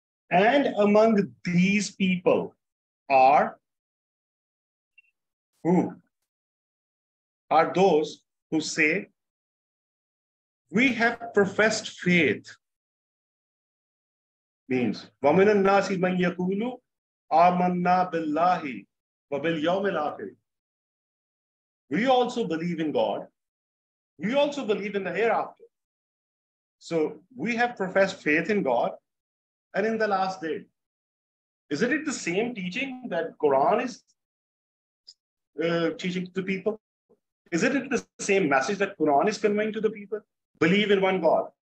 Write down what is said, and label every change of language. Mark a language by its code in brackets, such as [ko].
[en] And among these people are who? Are those who say, we have professed faith. Means, [ar] وَمِنَ النَّاسِ مَنْ يَقُولُ آمَنَّا بِاللَّهِ وَبِالْيَوْمِ الْآخِرِ. [en] We also believe in God. We also believe in the hereafter. So we have professed faith in God and in the last day. Isn't it the same teaching that Quran is teaching to the people? Isn't it the same message that Quran is conveying to the people? Believe in one God.